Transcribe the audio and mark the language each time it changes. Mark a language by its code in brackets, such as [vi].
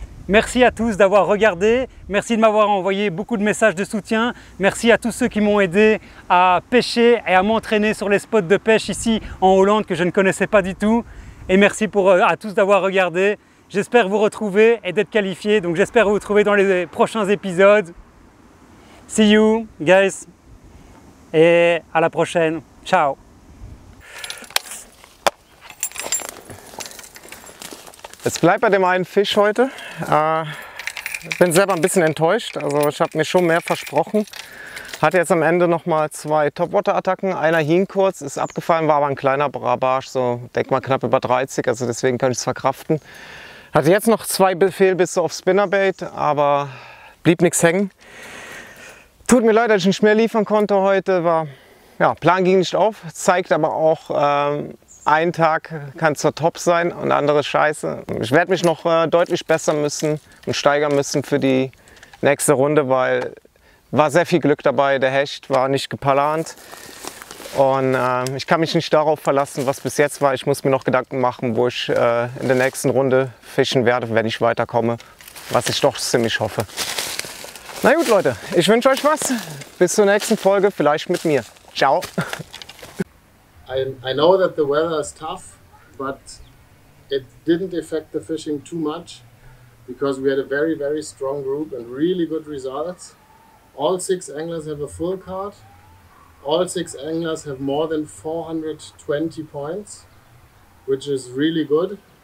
[fr] Merci à tous d'avoir regardé, merci de m'avoir envoyé beaucoup de messages de soutien, merci à tous ceux qui m'ont aidé à pêcher et à m'entraîner sur les spots de pêche ici en Hollande que je ne connaissais pas du tout, et merci à tous d'avoir regardé, j'espère vous retrouver et d'être qualifié, donc j'espère vous retrouver dans les prochains épisodes. [en] See you guys, [fr] et à la prochaine, ciao. [de] Es bleibt bei dem einen Fisch heute. Ich bin selber ein bisschen enttäuscht. Also ich habe mir schon mehr versprochen. Hatte jetzt am Ende noch mal zwei Topwater-Attacken. Einer hing kurz, ist abgefallen, war aber ein kleiner Barsch, so denk mal knapp über 30. Also deswegen kann ich es verkraften. Hatte jetzt noch zwei Fehlbisse auf Spinnerbait, aber blieb nichts hängen. Tut mir leid, dass ich nicht mehr liefern konnte heute. War, ja, Plan ging nicht auf, zeigt aber auch, ein Tag kann zur Top sein und andere scheiße. Ich werde mich noch deutlich bessern müssen und steigern müssen für die nächste Runde, weil war sehr viel Glück dabei. Der Hecht war nicht geplant und ich kann mich nicht darauf verlassen, was bis jetzt war. Ich muss mir noch Gedanken machen, wo ich in der nächsten Runde fischen werde, wenn ich weiterkomme, was ich doch ziemlich hoffe. Na gut, Leute, ich wünsche euch was. Bis zur nächsten Folge, vielleicht mit mir. Ciao. [en] I know that the weather is tough, but it didn't affect the fishing too much because we had a very, very strong group and really good results. All six anglers have a full card. All six anglers have more than 420 points, which is really good.